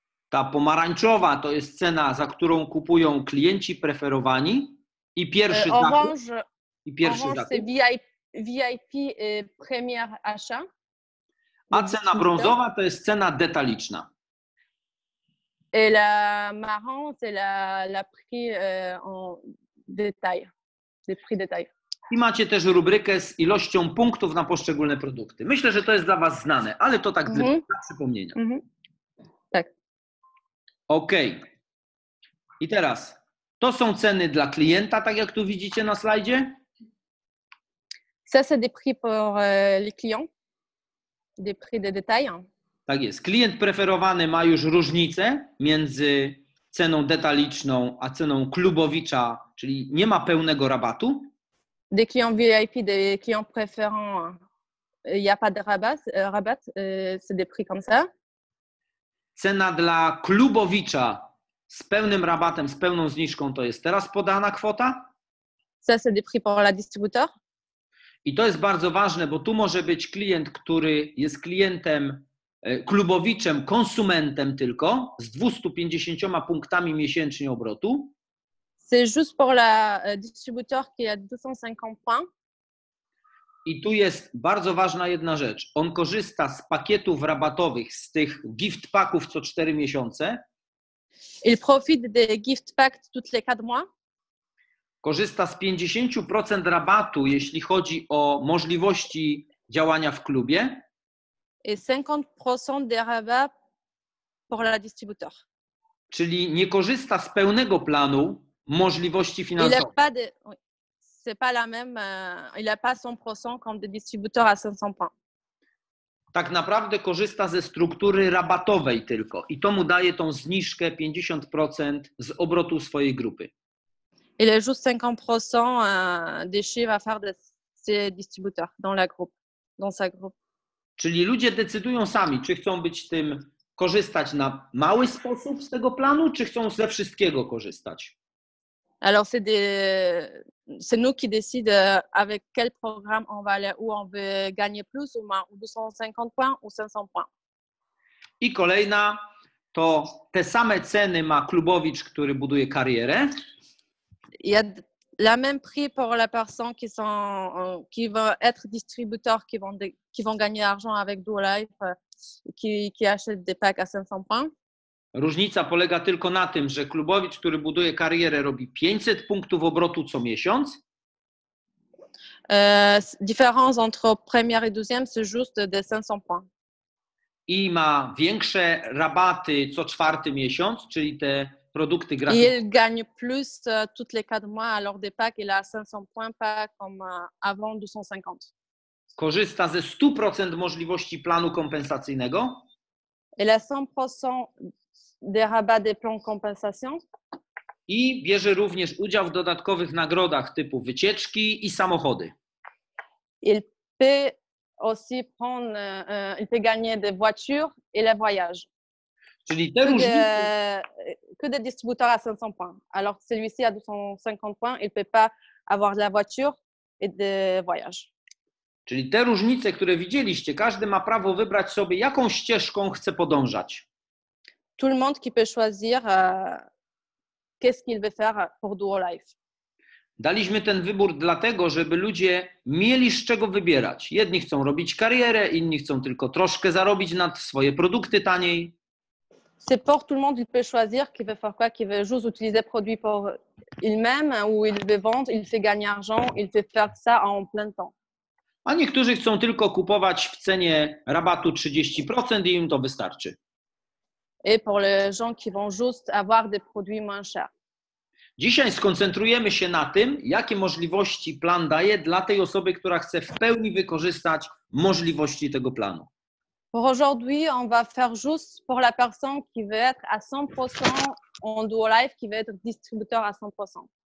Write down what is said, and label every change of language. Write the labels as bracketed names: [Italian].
[Polish] Ta pomarańczowa to jest cena, za którą kupują klienci preferowani i pierwszy zakup. Orange, i pierwszy orange zakup. [French] C'est VIP premier achat. [Polish] A cena brązowa to jest cena detaliczna. [French] Et la marron, c'est la prix en détail. Le prix détail. [Polish] I macie też rubrykę z ilością punktów na poszczególne produkty. Myślę, że to jest dla was znane, ale to tak dla przypomnienia. OK. I teraz, to są ceny dla klienta, tak jak tu widzicie na slajdzie? [French] Ça, c'est des prix pour les clients, des prix de détail. [Polish] Tak jest. Klient preferowany ma już różnicę między ceną detaliczną, a ceną klubowicza, czyli nie ma pełnego rabatu? [French] Des clients VIP, des clients préférants, il n'y a pas de rabat, c'est des prix comme ça. [Polish] Cena dla klubowicza z pełnym rabatem, z pełną zniżką, to jest teraz podana kwota? [French] Ça, c'est des prix pour la distributeur. [Polish] I to jest bardzo ważne, bo tu może być klient, który jest klientem klubowiczem, konsumentem tylko, z 250 punktami miesięcznie obrotu. [French] C'est juste pour la distributeur qui a 250 points. [Polish] I tu jest bardzo ważna jedna rzecz. On korzysta z pakietów rabatowych, z tych gift packów co 4 miesiące. [French] Il profite des gift packs toutes les 4 mois. [Polish] Korzysta z 50% rabatu, jeśli chodzi o możliwości działania w klubie. [French] I 50% de rabat pour la distributeur. [Polish] Czyli nie korzysta z pełnego planu możliwości finansowych. [French] C'est pas la même, il a pas 100% comme des distributeurs à 500 points. [Polish] Tak naprawdę korzysta ze struktury rabatowej tylko i to mu daje tą zniżkę 50% z obrotu swojej grupy. [French] Il a juste 50% des chiffres à faire de ses distributeurs dans la groupe, dans sa groupe. [Polish] Czyli ludzie decydują sami, czy chcą być tym, korzystać na mały sposób z tego planu, czy chcą ze wszystkiego korzystać. [French] Alors c'est nous qui décide avec quel programme on va aller, où on veut gagner plus ou moins, ou 250 points ou 500 points. [Polish] I kolejna to te same ceny ma klubowicz, który buduje karierę. [French] Il y a la même prix pour la personne qui sont qui va être distributeur qui vont gagner argent avec Duo Life qui achète des packs à 500 points. [Polish] Różnica polega tylko na tym, że klubowicz, który buduje karierę, robi 500 punktów obrotu co miesiąc. [French] Différence entre première et deuxième, c'est juste de 500 points. [Polish] I ma większe rabaty co czwarty miesiąc, czyli te produkty gratis. [French] Il gagne plus toutes les 4 mois alors des packs il a 500 points pas comme avant 250. [Polish] Korzysta ze 100% możliwości planu kompensacyjnego. [French] Il a 100% des rabats des plans compensation. [Polish] I bierze również udział w dodatkowych nagrodach typu wycieczki i samochody. [French] Il peut aussi prendre il peut gagner des voitures et les voyages. [Polish] Czyli te [French] que des distributeurs à 500 points. Alors celui-ci a 250 points, il peut pas avoir de la voiture et de voyage. [Polish] Czyli te różnice, które widzieliście, każdy ma prawo wybrać sobie, jaką ścieżką chce podążać. [French] Tout le monde qui peut choisir qu'est-ce qu'il veut faire pour Duo Life. [Polish] Daliśmy ten wybór dlatego, żeby ludzie mieli z czego wybierać. Jedni chcą robić karierę, inni chcą tylko troszkę zarobić na swoje produkty taniej. [French] C'est pour tout le monde, il peut choisir qu'il veut faire quoi, qu'il veut juste utiliser produit pour lui-même ou il veut vendre, il fait gagner argent, il fait faire ça en plein temps. [Polish] A niektórzy chcą tylko kupować w cenie rabatu 30% i im to wystarczy. [French] Et pour les gens qui vont juste avoir des produits moins chers. [Polish] Dzisiaj skoncentrujemy się na tym, jakie możliwości plan daje dla tej osoby, która chce w pełni wykorzystać możliwości tego planu. [French] Pour aujourd'hui, on va faire juste pour la personne qui veut être à 100% en Duo Life, qui veut être distributeur à 100%.